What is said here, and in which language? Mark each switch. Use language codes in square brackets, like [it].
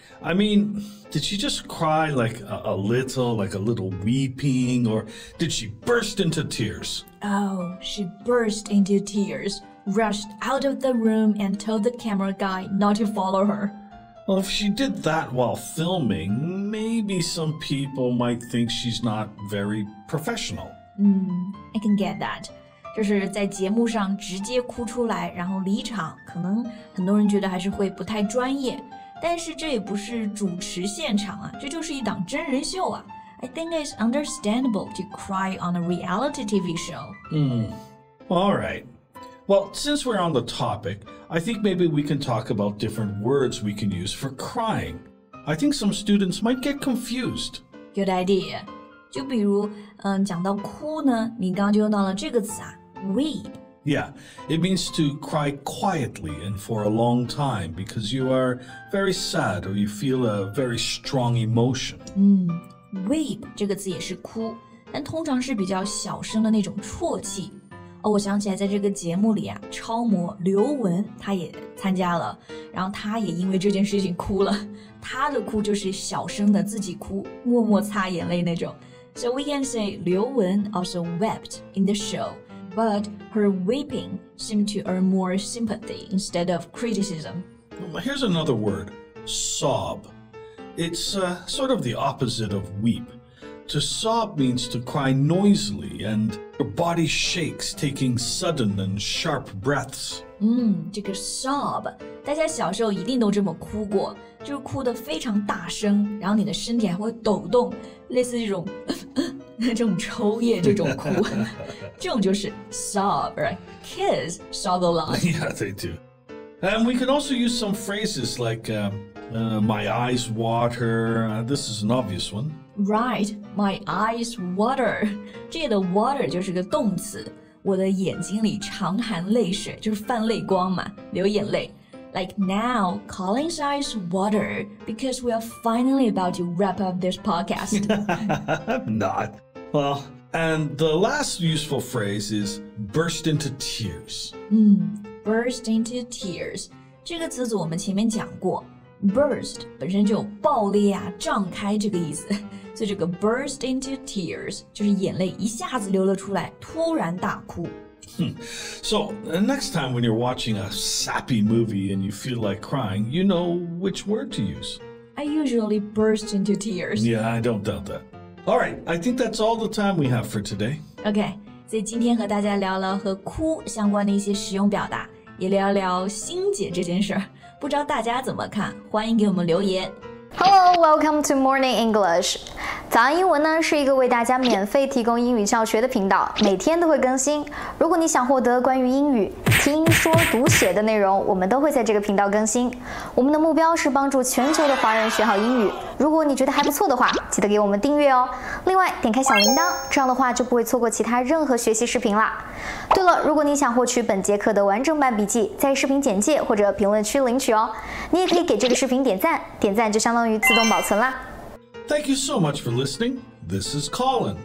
[en] I mean, did she just cry like a little weeping or did she burst into tears? Oh, she burst into tears, rushed out of the room and told the camera guy not to follow her Well, if she did that while filming, maybe some people might think she's not very professional. I can get that. [zh] 就是在节目上直接哭出来然后离场可能很多人觉得还是会不太专业。但是这也不是主持现场啊这就是一档真人秀啊。 [en] I think it's understandable to cry on a reality TV show. All right. Well, since we're on the topic, I think maybe we can talk about different words we can use for crying. I think some students might get confused. [zh] Good idea. 就比如、讲到哭呢你刚刚就用到了这个词啊 weep. [en] Yeah, it means to cry quietly and for a long time because you are very sad or you feel a very strong emotion. [zh] Weep 这个词也是哭但通常是比较小声的那种啜泣。哦、我想起来在这个节目里啊超模刘雯她也参加了然后她也因为这件事情哭了她的哭就是小声的自己哭默默擦眼泪那种 So we can say 刘雯 also wept in the show But her weeping seemed to earn more sympathy instead of criticism [en] Here's another word Sob It's sort of the opposite of weepTo sob means to cry noisily, and your body shakes, taking sudden and sharp breaths. [zh] 这个 sob, 大家小时候一定都这么哭过，就是哭得非常大声，然后你的身体还会抖动，类似这种抽噎这种哭，这种就是 sob, right? [en] Kids sob a lot. Yeah, they do. And we can also use some phrases like, my eyes water, this is an obvious one. Right, my eyes water. 这个 water 就是个动词。 [zh] 我的眼睛里常含泪水，就是泛泪光嘛，流眼泪。 [en] Like now, Colin's eyes water because we are finally about to wrap up this podcast. Not. Well, and the last useful phrase is burst into tears. Burst into tears. [zh] 这个词组我们前面讲过。 Burst 本身就有爆裂啊，胀开这个意思。所以这个 burst into tears 就是眼泪一下子流了出来，突然大哭。 [en] So next time when you're watching a sappy movie and you feel like crying, you know which word to use. I usually burst into tears. Yeah, I don't doubt that. All right, I think that's all the time we have for today. [zh] Okay, 所以今天和大家聊了和哭相关的一些实用表达，也聊聊心结这件事儿。不知道大家怎么看？欢迎给我们留言。 [en] Hello, welcome to Morning English. [zh] 早安英文呢是一个为大家免费提供英语教学的频道，每天都会更新。如果你想获得关于英语听说读写的内容，我们都会在这个频道更新。我们的目标是帮助全球的华人学好英语。如果你觉得还不错的话，记得给我们订阅哦。另外，点开小铃铛，这样的话就不会错过其他任何学习视频啦。对了，如果你想获取本节课的完整版笔记，在视频简介或者评论区领取哦。你也可以给这个视频点赞，点赞就相当于自动保存啦。 [en] Thank you so much for listening. This is Colin.